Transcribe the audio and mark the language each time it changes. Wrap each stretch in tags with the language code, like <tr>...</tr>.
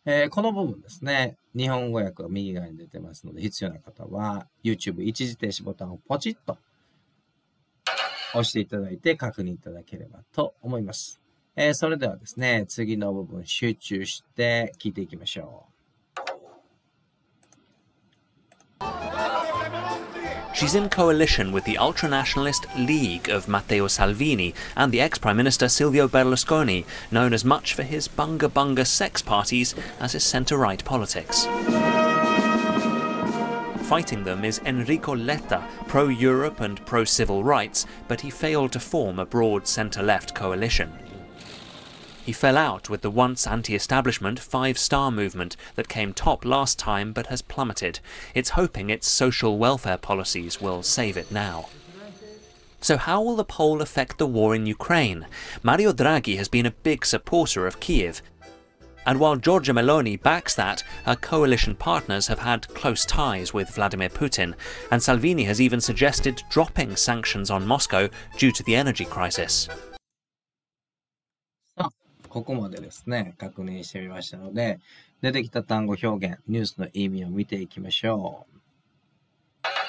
<ja>この部分ですね、日本語訳が右側に出てますので、必要な方は YouTube 一時停止ボタンをポチッと押していただいて確認いただければと思います。それではですね、次の部分集中して聞いていきましょう。</ja> <en>She's in coalition with the ultra-nationalist League of Matteo Salvini and the ex-Prime Minister Silvio Berlusconi, known as much for his bunga-bunga sex parties as his centre-right politics. Fighting them is Enrico Letta, pro-Europe and pro-civil rights, but he failed to form a broad centre-left coalition. He fell out with the once anti-establishment Five Star Movement that came top last time but has plummeted. It's hoping its social welfare policies will save it now. So how will the poll affect the war in Ukraine? Mario Draghi has been a big supporter of Kyiv. And while Giorgia Meloni backs that, her coalition partners have had close ties with Vladimir Putin, and Salvini has even suggested dropping sanctions on Moscow due to the energy crisis.</en> <ja>ここまでですね、確認してみましたので、出てきた単語表現、ニュースの意味を見ていきましょう。</ja>